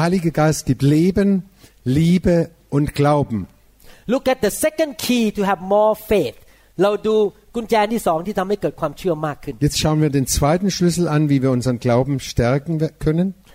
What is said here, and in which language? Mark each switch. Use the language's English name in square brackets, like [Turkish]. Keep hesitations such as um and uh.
[German] Heilige Geist gibt Leben, Liebe und Glauben. [English] Look at the second key to have more faith. [Thai] เราดูกุญแจที่สองที่ทำให้เกิดความเชื่อมากขึ้น [German] Jetzt schauen wir den zweiten Schlüssel an, wie wir unseren Glauben stärken können.